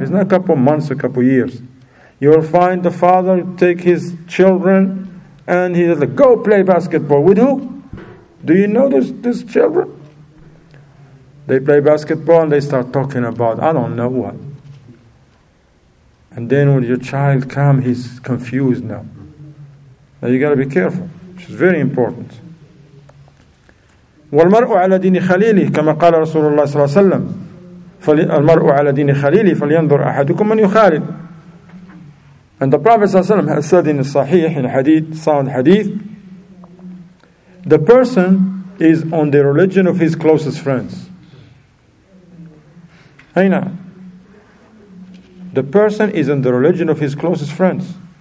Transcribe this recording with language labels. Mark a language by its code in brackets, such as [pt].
[en] It's not a couple months or a couple years. You'll find the father take his children and he's like, go play basketball. With who? Do you know those children? They play basketball and they start talking about I don't know what. And then when your child comes, he's confused now. Now you got to be careful, which is very important. [ar] والمرء على دين خليله كما قال رسول الله صلى الله عليه وسلم فالمرء على دين خليله فلينظر أحدكم من يخالد. [en] And the Prophet [ar] صلى الله عليه وسلم [en] said in the Sahih, in Hadith, sound Hadith, the person is on the religion of his closest friends. [ar] أين؟ [en] The person is on the religion of his closest friends.